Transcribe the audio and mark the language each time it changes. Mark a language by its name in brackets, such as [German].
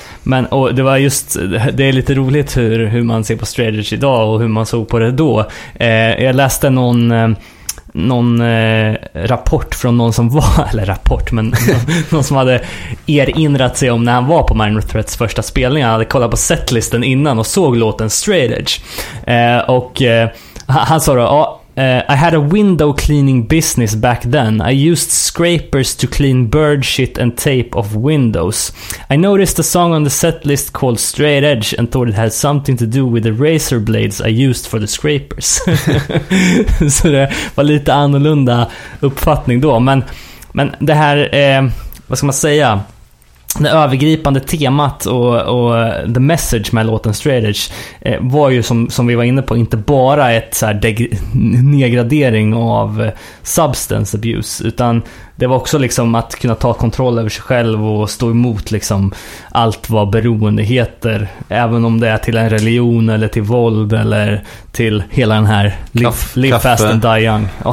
[Swedish] Men och det var just, det är lite roligt hur man ser på Straight Edge idag och hur man såg på det då. Jag läste någon rapport från någon som var, eller rapport, men någon som hade erinrat sig om när han var på Minor Threats första spelning. Han hade kollat på setlisten innan och såg låten Straight Edge. Och han sa då, [English] I had a window cleaning business back then. I used scrapers to clean bird shit and tape of windows. I noticed a song on the set list called Straight Edge and thought it had something to do with the razor blades I used for the scrapers. [Swedish] Så det var lite annorlunda uppfattning då. Men det här, vad ska man säga, det övergripande temat och [English] the message [Swedish] med låten Straight Edge var ju som vi var inne på, inte bara ett så här nedgradering av [English] substance abuse, [Swedish] utan det var också liksom att kunna ta kontroll över sig själv och stå emot liksom allt vad beroende heter, även om det är till en religion eller till våld eller till hela den här [English] live fast and die young.